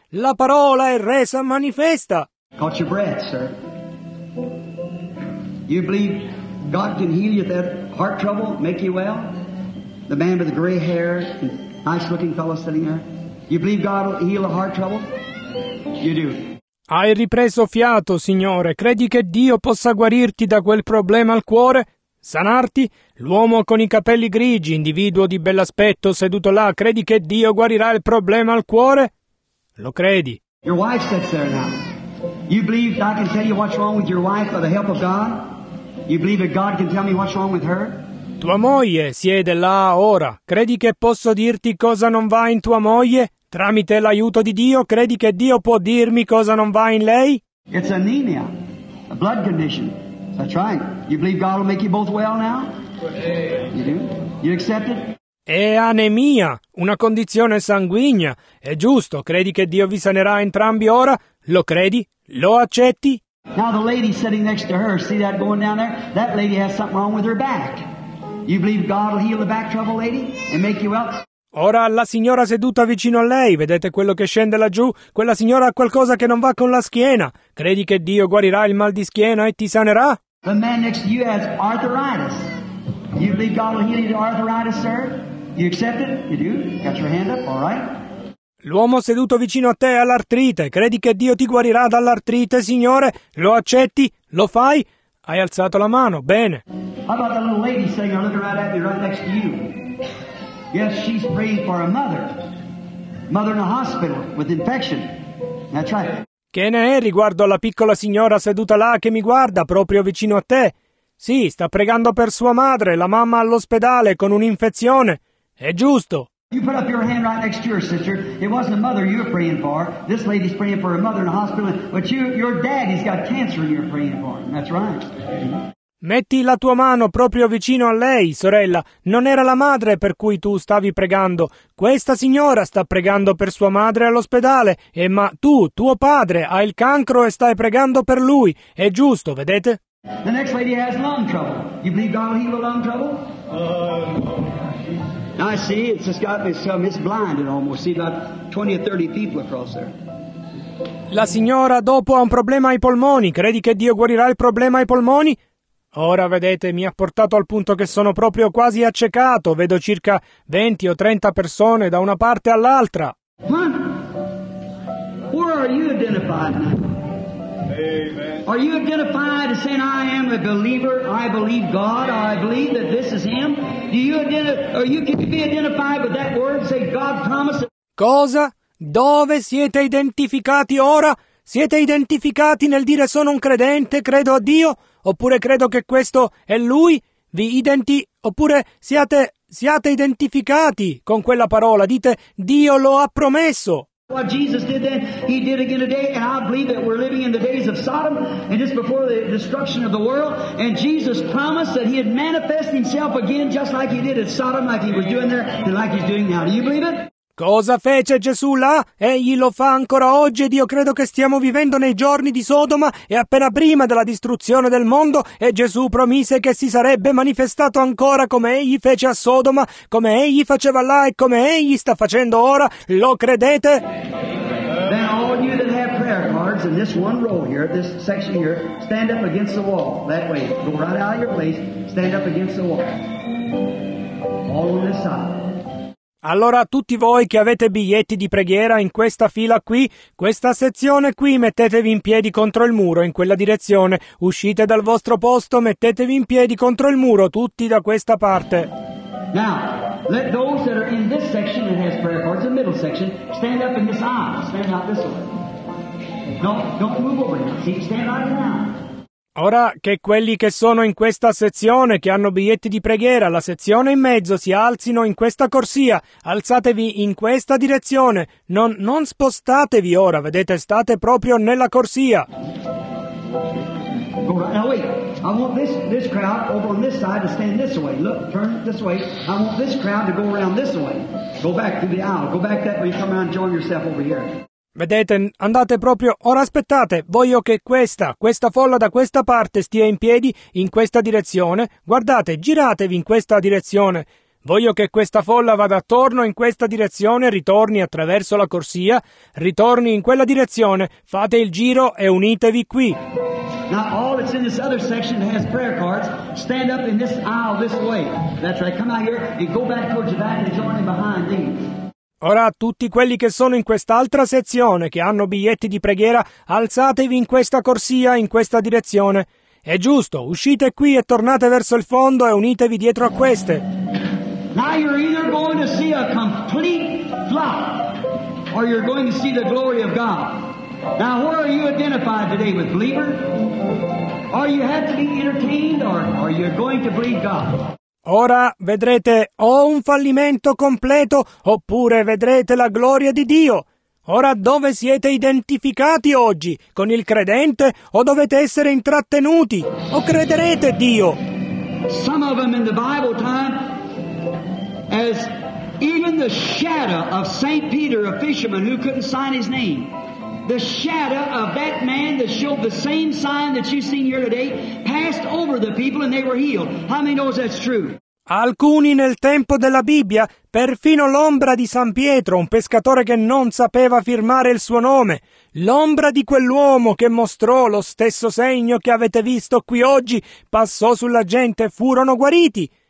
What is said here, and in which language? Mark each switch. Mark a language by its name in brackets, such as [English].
[Italian] La parola è resa manifesta. [English] Caught your breath, sir. You believe God can heal you that heart trouble, make you well? The man with the gray hair, nice looking fellow sitting there. You believe God will heal a heart trouble? You do. [Italian] Hai ripreso fiato, signore. Credi che Dio possa guarirti da quel problema al cuore? Sanarti? L'uomo con i capelli grigi, individuo di bell'aspetto seduto là, credi che Dio guarirà il problema al cuore? Lo credi? [English] Your wife sits there now. You believe God can tell you what's wrong with your wife by the help of God? You believe that God can tell me what's wrong with her? [Italian] Tua moglie siede là ora. Credi che posso dirti cosa non va in tua moglie? Tramite l'aiuto di Dio, credi che Dio può dirmi cosa non va in lei? [English] It's anemia, a blood condition. That's right. You believe God will make you both well now? You do? You accept it? [Italian] È anemia, una condizione sanguigna. È giusto. Credi che Dio vi sanerà entrambi ora? Lo credi? Lo accetti? [English] Now the lady sitting next to her, see that going down there? That lady has something wrong with her back. You believe God will heal the back trouble, lady, and make you well? [Italian] Ora la signora seduta vicino a lei, vedete quello che scende laggiù? Quella signora ha qualcosa che non va con la schiena. Credi che Dio guarirà il mal di schiena e ti sanerà? [English] The man next to you has arthritis. You believe God will heal you to arthritis, sir? You accept it? You do? Got your hand up? All right. [Italian] L'uomo seduto vicino a te ha l'artrite. Credi che Dio ti guarirà dall'artrite, signore? Lo accetti? Lo fai? Hai alzato la mano, bene. [English] How about that little lady sitting there looking right at me right next to you? Yes, she's praying for a mother. Mother in a hospital with infection. That's right. [Italian] Che ne è riguardo alla piccola signora seduta là che mi guarda proprio vicino a te? Sì, sta pregando per sua madre, la mamma all'ospedale con un'infezione. È giusto. [English] You put up your hand right next to your sister. It wasn't a mother you were praying for. This lady's praying for her mother in a hospital. But you, your daddy's got cancer and you're praying for him. That's right. [Italian] Metti la tua mano proprio vicino a lei, sorella. Non era la madre per cui tu stavi pregando. Questa signora sta pregando per sua madre all'ospedale. E ma tu, tuo padre, hai il cancro e stai pregando per lui. È giusto, vedete? [English] The next lady has lung trouble. You believe God will heal lung trouble? Now I see, it's just got this, it's blinded almost. See about 20 or 30 people across there. [Italian] La signora dopo ha un problema ai polmoni. Credi che Dio guarirà il problema ai polmoni? Ora vedete, mi ha portato al punto che sono proprio quasi accecato. Vedo circa 20 o 30 persone da una parte all'altra. Huh? [English] Where are you identified now? Amen. Are you identified as saying, I am a believer, I believe God, or I believe that this is Him? Do you identify, or you can be identified with that word, say, God promised it? [Italian] Cosa? Dove siete identificati ora? Siete identificati nel dire sono un credente, credo a Dio? Oppure credo che questo è Lui? Oppure siate identificati con quella parola? Dite, Dio lo ha promesso. [English] What Jesus did then, he did again today, and I believe that we're living in the days of Sodom and just before the destruction of the world, and Jesus promised that he'd manifest himself again just like he did at Sodom, like he was doing there and like he's doing now. Do you believe it? [Italian] Cosa fece Gesù là? Egli lo fa ancora oggi ed io credo che stiamo vivendo nei giorni di Sodoma e appena prima della distruzione del mondo, e Gesù promise che si sarebbe manifestato ancora come egli fece a Sodoma, come egli faceva là e come egli sta facendo ora. Lo credete? [English] Then all you that have prayer cards in this one row here, this section here, stand up against the wall. That way, go right out of your place, stand up against the wall. All on this side. [Italian] Allora tutti voi che avete biglietti di preghiera in questa fila qui, questa sezione qui, mettetevi in piedi contro il muro in quella direzione. Uscite dal vostro posto, mettetevi in piedi contro il muro, tutti da questa parte. [English] Now, let those that are in this section that has prayer cards, the middle section, stand up in this aisle, stand out this way. Don't move over now, see, stand out now. [Italian] Ora che quelli che sono in questa sezione, che hanno biglietti di preghiera, la sezione in mezzo, si alzino in questa corsia, alzatevi in questa direzione, non spostatevi ora, vedete, state proprio nella corsia. [English] Now wait, I want this crowd over on this side to stand this way, look, turn this way, I want this crowd to go around this way, go back to the aisle, go back that way, come around and join yourself over here. [Italian] Vedete, andate proprio, ora aspettate, voglio che questa folla da questa parte stia in piedi in questa direzione, guardate, giratevi in questa direzione, voglio che questa folla vada attorno in questa direzione, ritorni attraverso la corsia, ritorni in quella direzione, fate il giro e unitevi qui. [English] Now all that's in this other section that has prayer cards, stand up in this aisle this way, that's right, come out here and go back towards the back and join them behind these. [Italian] Ora tutti quelli che sono in quest'altra sezione, che hanno biglietti di preghiera, alzatevi in questa corsia, in questa direzione. È giusto, uscite qui e tornate verso il fondo e unitevi dietro a queste. [English] Now you're either going to see a complete flock, or you're going to see the glory of God. Now where are you identified today with believer? Or you have to be entertained, or you're going to believe God. [Italian] Ora vedrete o un fallimento completo oppure vedrete la gloria di Dio. Ora dove siete identificati oggi? Con il credente o dovete essere intrattenuti? O crederete Dio? [English] Some of them in the Bible time as even the shadow of St. Peter, a fisherman who couldn't sign his name. The shadow of that man that showed the same sign that you've seen here today passed over the people and they were healed. How many knows that's true? [Italian] Alcuni nel tempo della Bibbia, perfino l'ombra di San Pietro, un pescatore che non sapeva firmare il suo nome, l'ombra di quell'uomo che mostrò lo stesso segno che avete visto qui oggi, passò sulla gente e furono guariti.